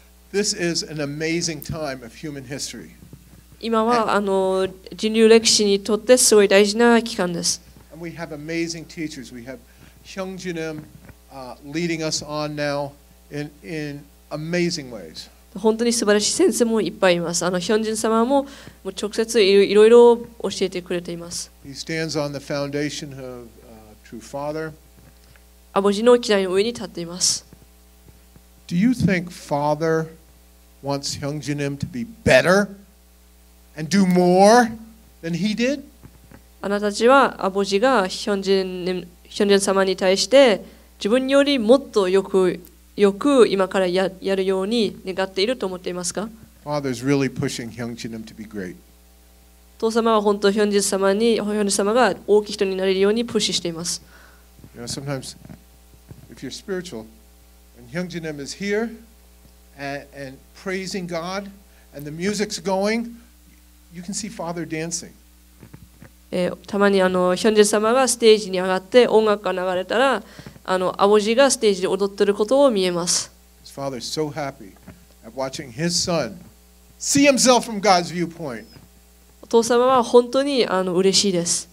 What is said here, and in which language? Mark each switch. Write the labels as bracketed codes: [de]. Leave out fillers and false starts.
[en] This is an amazing time of human history. [ja] 今は人類歴史にとってすごい大事な期間です。 [en] And we have amazing teachers. We have Hyung Jin-im leading us on now in amazing ways. [ja] 本当に素晴らしい先生もいっぱいいます。ヒョンジン様も直接いろいろ教えてくれています。 [en] He stands on the foundation of true father. [ja] アボジの基礎の上に立っています。 [en] Do you think father wants Hyung Jin-im to be better? And do more than he did? [ja] あなたたちはアボジがヒョンジン様に対して自分よりもっとよく今から やるように願っていると思っていますか？ [en] Father's really pushing Hyung Jin-im to be great. [ja] 父様は本当ヒョンジン様にヒョンジン様が大きい人になれるようにプッシュしています。 [en] You know, sometimes if you're spiritual, when Hyung Jin-im is here and praising God and the music's going,You can see Father dancing. [ja] たまにヒョンジン様がステージに上がって音楽が流れたらアボジがステージで踊ってることを見えます。 [en] His father is so happy at watching his son see himself from God's viewpoint. [ja] お父様は本当に嬉しいです。